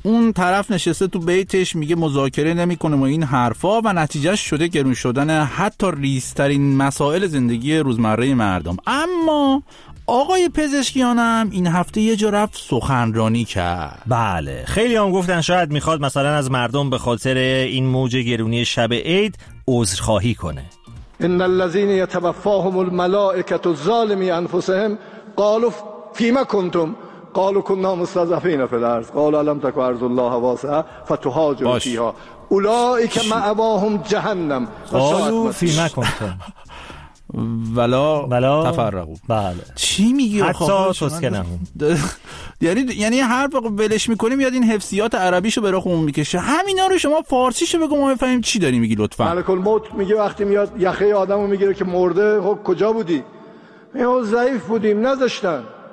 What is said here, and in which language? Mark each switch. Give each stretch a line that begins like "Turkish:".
Persian: اون طرف نشسته تو بیتش میگه مذاکره نمیکنه و این حرفا، و نتیجه شده گرون شدن حتی ریزترین مسائل زندگی روزمره مردم. اما آقای پزشکیانم این هفته یه جا رفت سخنرانی کرد. بله، خیلی هم گفتن شاید میخواد مثلا از مردم به خاطر این موج گرونی شب عید عذرخواهی کنه.
Arabic: ان الذين يتوفاهم الملائكه الظالمي انفسهم قالوا فيما كنتم قالوا كنا مستضعفين في الارض قالوا لم تكن ارض الله واسعه فتهاجروا فيها اولئك مأواهم جهنم قالوا فيما كنتم ولا تفرقو.
Persian: بله. چی میگی آخه؟ یعنی هر وقت ولش میکنی میاد این حفظیات عربیشو به راهمون میکشه. همینا رو شما فارسیشو بگو ما بفهمیم چی داری میگی لطفا. ملک الموت میگه وقتی میاد یخه آدمو میگیره که مرده، خب کجا بودی؟ میگه ضعیف بودیم نذاشتن.